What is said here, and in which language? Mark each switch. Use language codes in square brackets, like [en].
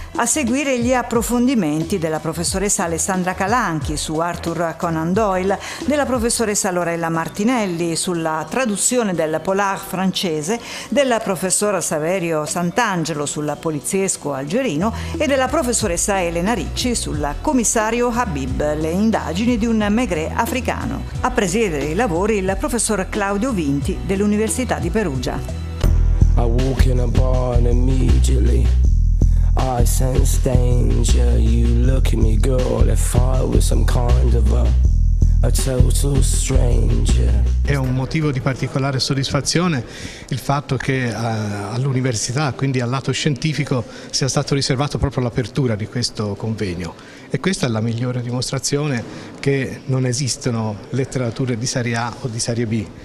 [it] A seguire gli approfondimenti della professoressa Alessandra Calanchi su Arthur Conan Doyle, della professoressa Lorella Martinelli sulla traduzione del polar francese, della professora Saverio Sant'Angelo sulla poliziesco algerino e della professoressa Elena Ricci sul commissario Habib, le indagini di un maigret africano. A presiedere i lavori il professor Claudio Vinti dell'Università di Perugia. [en] I walk in a barn immediately. I sense danger. You look at me, girl, if I was some kind of a total stranger. [it] È un motivo di particolare soddisfazione il fatto che all'università, quindi al lato scientifico, sia stato riservato proprio l'apertura di questo convegno. E questa è la migliore dimostrazione che non esistono letterature di serie A o di serie B.